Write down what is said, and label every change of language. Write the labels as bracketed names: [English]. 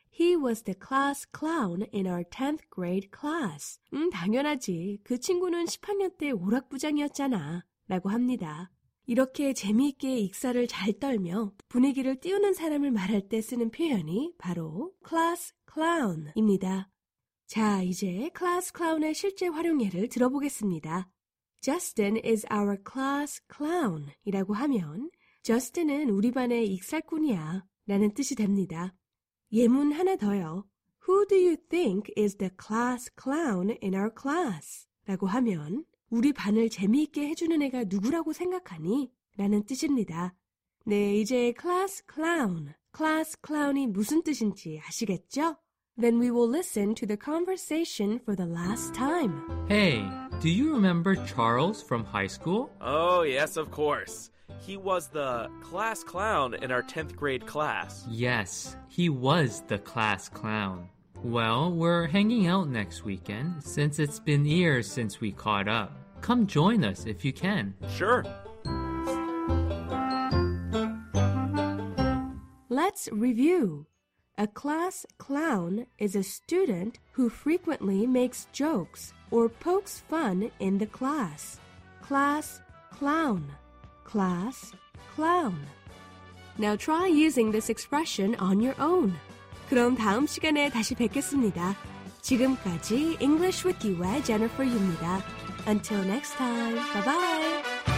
[English] He was the class clown in our 10th grade class. [Korean] 당연하지. 그 친구는 10학년 때 오락부장이었잖아. 라고 합니다. 이렇게 재미있게 익사를 잘 떨며 분위기를 띄우는 사람을 말할 때 쓰는 표현이 바로 class clown입니다. 자, 이제 class clown의 실제 활용 예를 들어보겠습니다. [English] Justin is our class clown [Korean] 이라고 하면 Justin은 우리 반의 익살꾼이야. 라는 뜻이 됩니다. 예문 하나 더요. [English] Who do you think is the class clown in our class? [Korean] 라고 하면 우리 반을 재미있게 해주는 애가 누구라고 생각하니? 라는 뜻입니다. 네, 이제 class clown. Class clown이 무슨 뜻인지 아시겠죠? [English] Then we will listen to the conversation for the last time. Hey, do you remember Charles from high school? Oh, yes, of course. He was the class clown in our 10th grade class. Yes, he was the class clown. Well, we're hanging out next weekend since it's been years since we caught up. Come join us if you can. Sure. Let's review. A class clown is a student who frequently makes jokes or pokes fun in the class. Class clown. Class clown. Now try using this expression on your own. [Korean] 그럼 다음 시간에 다시 뵙겠습니다. 지금까지 English with Yue의 Jennifer입니다. [English] Until next time, bye-bye.